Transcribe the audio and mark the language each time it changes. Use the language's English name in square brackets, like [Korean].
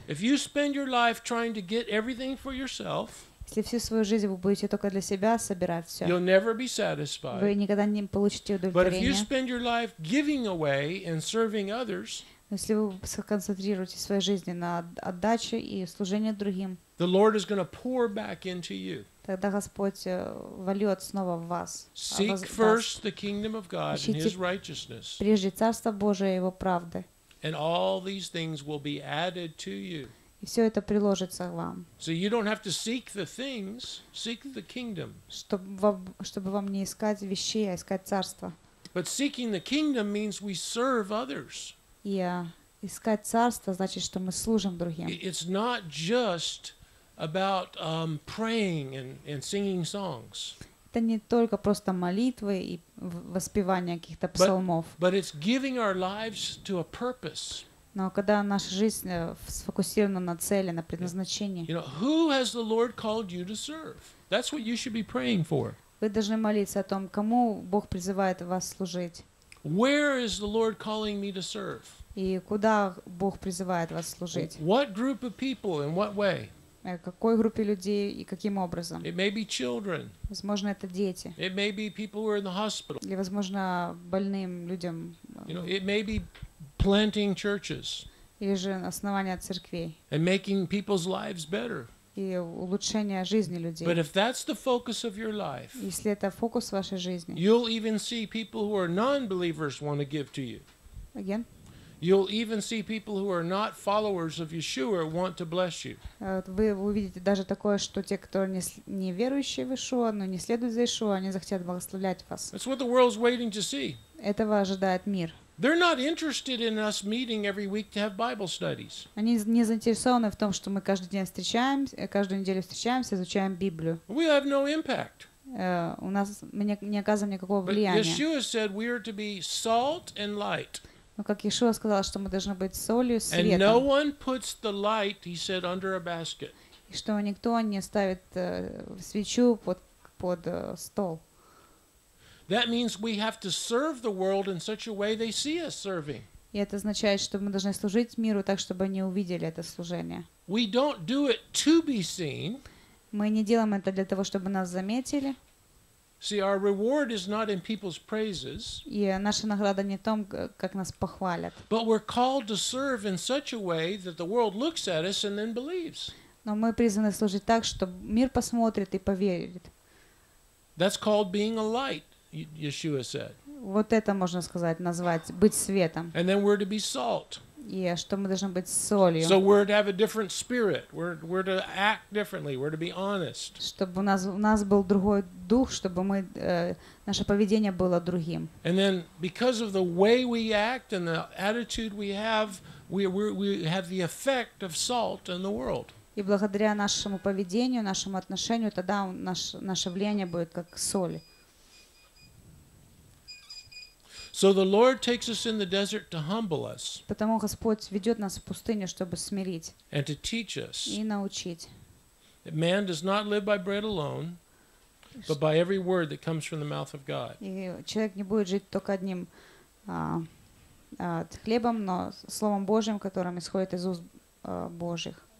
[English] If you spend your life trying to get everything for yourself, [Russian] если всю свою жизнь вы будете только для себя собирать все, [English] you'll never be satisfied. [Russian] Вы никогда не получите удовлетворение. [English] But if you spend your life giving away and serving others, [Russian] если вы сконцентрируете свою жизнь на отдаче и служении другим, [English] the Lord is going to pour back into you. [Russian] Тогда Господь вольет снова в вас. [English] Seek first the kingdom of God and His righteousness. [Russian] Прежде Царство Божие и Его правды. [English] And all these things will be added to you. [Russian] И все это приложится к вам. [English] So you don't have to seek the things, seek the kingdom. [Russian] Чтобы вам не искать вещей, а искать Царство. [English] But seeking the kingdom means we serve others. [Russian] Искать царство значит, что мы служим другим. [English] It's not just about praying and singing songs. [Russian] Это не только просто молитвы и воспевание каких-то псалмов. [English] But it's giving our lives to a purpose. [Russian] Но когда наша жизнь сфокусирована на цели, на предназначении. [English] You know, who has the Lord called you to serve? That's what you should be praying for. [Russian] Вы должны молиться о том, кому Бог призывает вас служить. [English] Where is the Lord calling me to serve? [Russian] И куда Бог призывает вас служить? [English] What group of people and what way? [Russian] Какой группе людей и каким образом? [English] It may be children. [Russian] Возможно, это дети. [English] It may be people who are in the hospital. [Russian] Или, возможно, больным людям. [English] You know, it may be planting churches. [Russian] Или же основание церквей. [English] And making people's lives better. [Russian] И улучшение жизни людей. [English] But if that's the focus of your life, [Russian] если это фокус вашей жизни, [English] you'll even see people who are non-believers want to give to you. Again? You'll even see people who are not followers of Yeshua want to bless you. [Russian] Вы увидите даже такое, что те, кто не верующие в Ишуа, но не следуют за Ишуа, они захотят благословлять вас. [English] That's what the world's waiting to see. [Russian] Этого ожидает мир. [English] They're not interested in us meeting every week to have Bible studies. [Russian] Они не заинтересованы в том, что мы каждый день встречаемся, каждую неделю встречаемся, изучаем Библию. [English] We have no impact. [Russian] У нас не оказываем никакого влияния. [English] But Yeshua said we are to be salt and light. [Russian] Но как Иешуа сказал, что мы должны быть солью, светом. [English] And no one puts the light, he said, under a basket. [Russian] И что никто не ставит свечу под стол. [English] That means we have to serve the world in such a way they see us serving. [Russian] И это означает, что мы должны служить миру так, чтобы они увидели это служение. [English] We don't do it to be seen. [Russian] Мы не делаем это для того, чтобы нас заметили. [English] See, our reward is not in people's praises. [Russian] И наша награда не в том, как нас похвалят. [English] But we're called to serve in such a way that the world looks at us and then believes. [Russian] Но мы призваны служить так, чтобы мир посмотрит и поверит. [English] That's called being a light. Yeshua said. [Russian] Вот это можно сказать, назвать быть светом. [English] And then we're to be salt. [Russian] Yeah, что мы должны быть солью. [English] So we're to have a different spirit. We're to act differently. We're to be honest. [Russian] Чтобы у нас был другой дух, чтобы мы наше поведение было другим. [English] And then because of the way we act and the attitude we have, we have the effect of salt in the world. [Russian] И благодаря нашему поведению, нашему отношению, тогда наше влияние будет как соль. [English] So the Lord takes us in the desert to humble us. [Russian] Потому Господь ведет нас в пустыню, чтобы смирить. [English] And to teach us. [Russian] И научить. [English] Man does not live by bread alone, but by every word that comes from the mouth of God. [Russian] И человек не будет жить только одним хлебом, но Словом Божьим, которым исходит из уст Божьих.